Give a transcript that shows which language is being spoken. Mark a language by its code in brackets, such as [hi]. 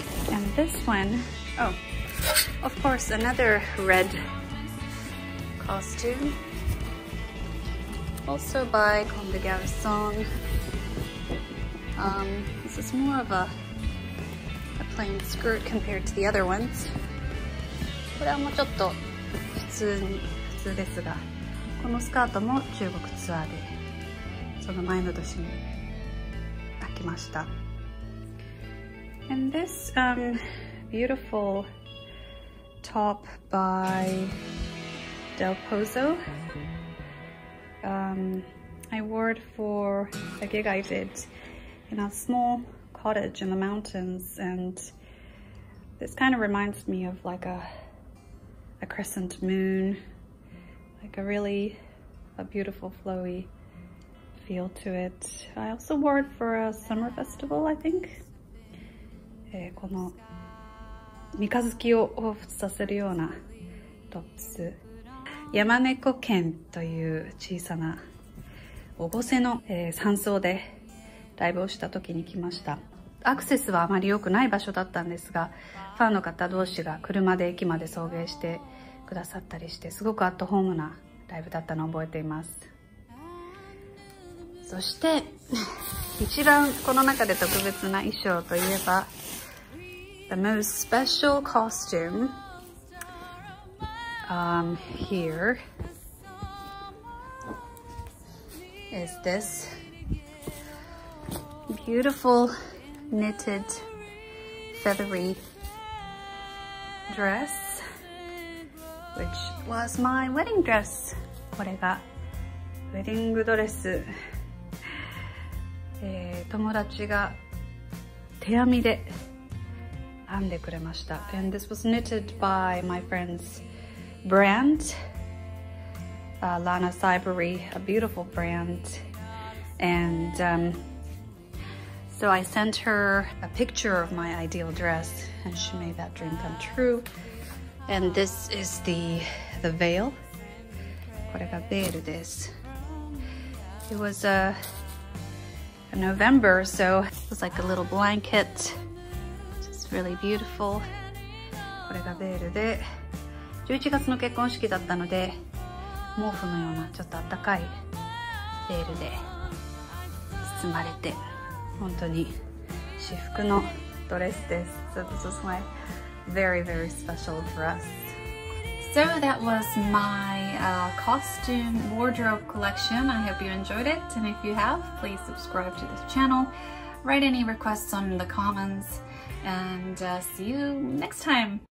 [en] And this one, oh, of course, another red costume. Also by Comme des Garçons. This is more of a plain skirt compared to the other ones. [ja] これはもうちょっと普通ですが、このスカートも中国ツアーでその前の年に履きました。 [en] And this beautiful top by Del Pozo. I wore it for a gig I did in a small cottage in the mountains, and this kind of reminds me of like a crescent moon, like a really a beautiful flowy feel to it. I also wore it for a summer festival, I think. [ja] この三日月を彷彿させるようなトップス。山猫県という小さな越生の、山荘でライブをした時に来ました。アクセスはあまり良くない場所だったんですが、ファンの方同士が車で駅まで送迎してくださったりして、すごくアットホームなライブだったのを覚えています。そして一番この中で特別な衣装といえば [en] The most special costumeHere is this beautiful knitted feathery dress, which was my wedding dress. [ja] これがウェディングドレス。友達が手編みで編んでくれました。 [en] And this was knitted by my friends. Brand, Lana Cybery, a beautiful brand. And so I sent her a picture of my ideal dress, and she made that dream come true. And this is the veil. [ja] これがベールです。 [en] It was a November, so it was like a little blanket. It's really beautiful. [ja] これがベールで。 11月の結婚式だったので、毛布のようなちょっとあったかいベールで包まれて、本当に至福のドレスです。 [en] So this was my very, very special dress. So that was my costume wardrobe collection. I hope you enjoyed it. And if you have, please subscribe to this channel. Write any requests on the comments. And see you next time.